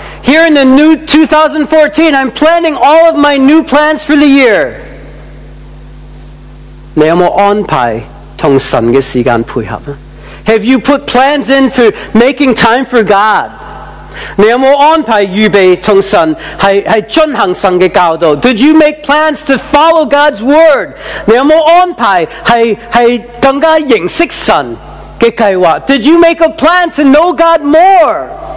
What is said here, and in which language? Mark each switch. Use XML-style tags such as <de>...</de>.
<en>Here in the new 2014, I'm planning all of my new plans for the year.</en> <zh>你有没有安排和神的时间配合呢？</zh> <en>Have you put plans in for making time for God?</en> <zh>你有没有安排预备和神是遵行神的教导？</zh> <en>Did you make plans to follow God's word?</en> <zh>你有没有安排是更加认识神的计划？</zh> <en>Did you make a plan to know God more?</en>